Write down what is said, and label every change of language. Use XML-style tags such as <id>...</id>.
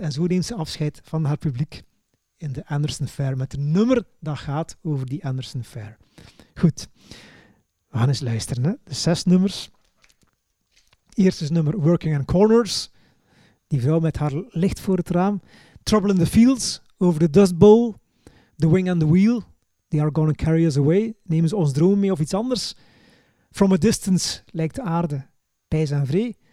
<nl>En zo neemt ze afscheid van haar publiek in de Anderson Fair met een nummer dat gaat over die Anderson Fair. Goed, we gaan eens luisteren. Hè. De zes nummers. Eerst is nummer Working in Corners. Die vrouw met haar licht voor het raam. Trouble in the Fields, over de Dust Bowl.</nl> <en>The Wing and the Wheel, they are gonna carry us away.</en> <nl>Nemen ze ons dromen mee of iets anders. From a Distance lijkt de aarde pijs en vree.</nl>